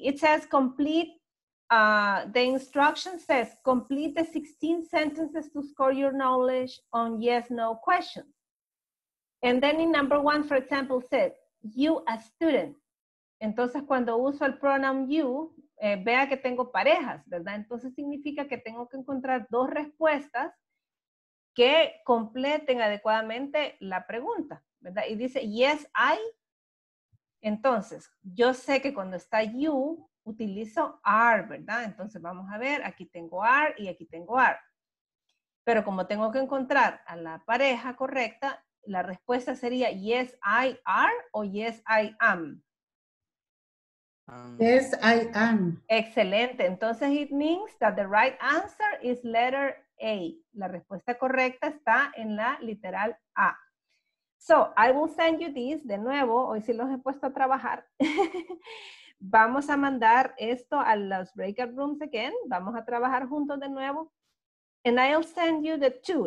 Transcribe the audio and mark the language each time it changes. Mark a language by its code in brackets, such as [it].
[en] It says complete, the instruction says complete the 16 sentences to score your knowledge on yes, no questions. And then in number one, for example, says you a student. [es] Entonces cuando uso el pronoun you, vea que tengo parejas, ¿verdad? Entonces significa que tengo que encontrar dos respuestas que completen adecuadamente la pregunta, ¿verdad? Y dice, yes, I. Entonces, yo sé que cuando está you, utilizo are, ¿verdad? Entonces, vamos a ver, aquí tengo are y aquí tengo are. Pero como tengo que encontrar a la pareja correcta, la respuesta sería, [en] yes, I are [es] o [en] yes, I am. Yes, I am. [es] Excelente. [en] Entonces, it means that the right answer is letter A. [es] La respuesta correcta está en la literal A. [en] So, I will send you this [es] de nuevo. Hoy sí los he puesto a trabajar. vamos a mandar esto a los breakout rooms again. Vamos a trabajar juntos de nuevo. [en] And I'll send you the two.